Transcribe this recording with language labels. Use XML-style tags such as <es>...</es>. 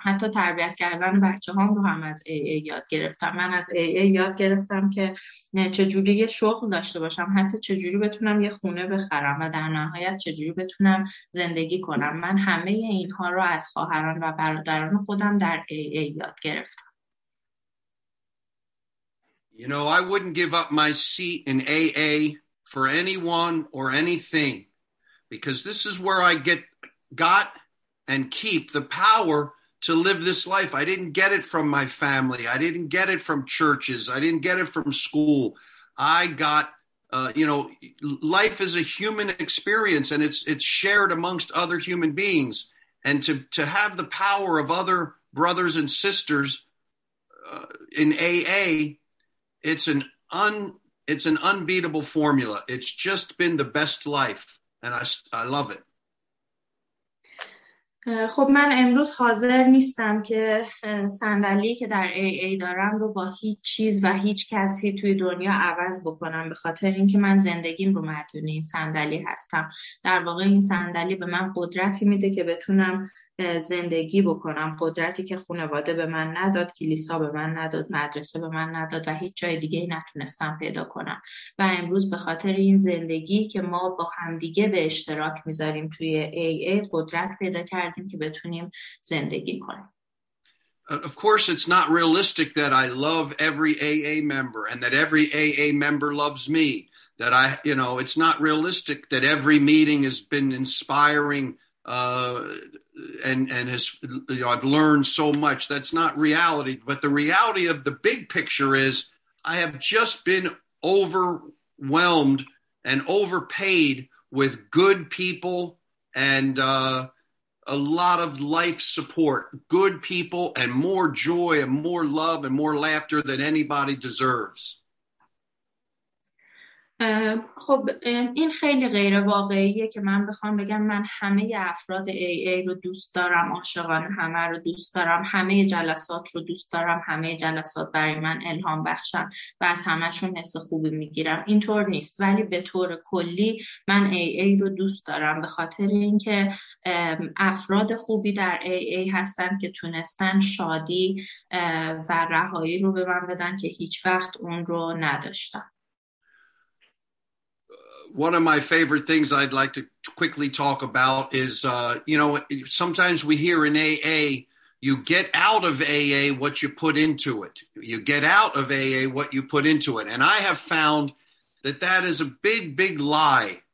<fa>حتی تربیت کردن بچه هام رو هم از AA یاد گرفتم. من از AA یاد گرفتم که چجوری یه شغل داشته باشم، حتی چجوری بتونم یه خونه بخرم و در نهایت چجوری بتونم زندگی کنم. من همه اینها رو از خواهران و برادران خودم در AA یاد گرفتم.</fa> <en>You know, I wouldn't give up my seat in AA for anyone or anything, because this is where I got and keep the power to live this life. I didn't get it from my family. I didn't get it from churches. I didn't get it from school. I got, life is a human experience, and it's shared amongst other human beings. And to have the power of other brothers and sisters in AA, It's an unbeatable formula. It's just been the best life, and I love it.</en> <fa>خب من امروز حاضر نیستم که صندلی که در AA دارم رو با هیچ چیز و هیچ کسی توی دنیا عوض بکنم، به خاطر اینکه من زندگیم رو مدیون این صندلی هستم. در واقع این صندلی به من قدرتی میده که بتونم زندگی بکنم، قدرتی که خانواده به من نداد، کلیسا به من نداد، مدرسه به من نداد و هیچ جای دیگه نتونستم پیدا کنم. و امروز به خاطر این زندگی که ما با همدیگه به اشتراک میذاریم توی AA، قدرت پیدا کردیم که بتونیم زندگی کنیم.</fa> <en>Of course, it's not realistic that I love every AA member and that every AA member loves me. That I, you know, it's not realistic that every meeting has been inspiring and has, you know, I've learned so much. That's not reality. But the reality of the big picture is I have just been overwhelmed and overpaid with good people and a lot of life support, good people and more joy and more love and more laughter than anybody deserves.</en> <fa>خب این خیلی غیر واقعیه که من بخوام بگم من همه افراد AA رو دوست دارم، عاشقان همه رو دوست دارم، همه جلسات رو دوست دارم، همه جلسات برای من الهام بخشن و از همهشون حس خوبی میگیرم. اینطور نیست، ولی به طور کلی من AA رو دوست دارم به خاطر اینکه افراد خوبی در AA هستن که تونستن شادی و رهایی رو به من بدن که هیچ وقت اون رو نداشتم.</fa> <en>One of my favorite things I'd like to quickly talk about is, you know, sometimes we hear in AA, you get out of AA what you put into it. You get out of AA what you put into it. And I have found that that is a big, big lie.</en>